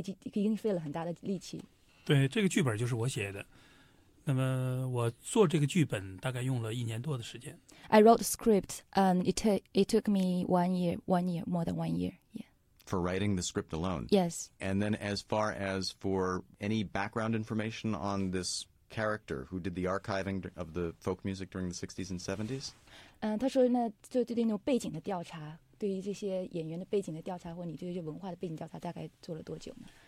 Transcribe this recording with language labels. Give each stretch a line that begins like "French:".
Chinese: 他说在你拍这个电影的时候，这个男主角对男主角您的了解，对他的去研究、去调查，您花了多大的时间？他觉得应该是费尽，应该费了很大的力气。对，这个剧本就是我写的。那么我做这个剧本大概用了一年多的时间。I
English: wrote the script, and it took me more than 1 year. Yeah. For writing the script alone. Yes. And then, as far as for any background information on this character who did the archiving of the folk music during the 60s and 70s.
Chinese: 他说呢，就对那种背景的调查，对于这些演员的背景的调查，或你对这些文化的背景调查，大概做了多久呢？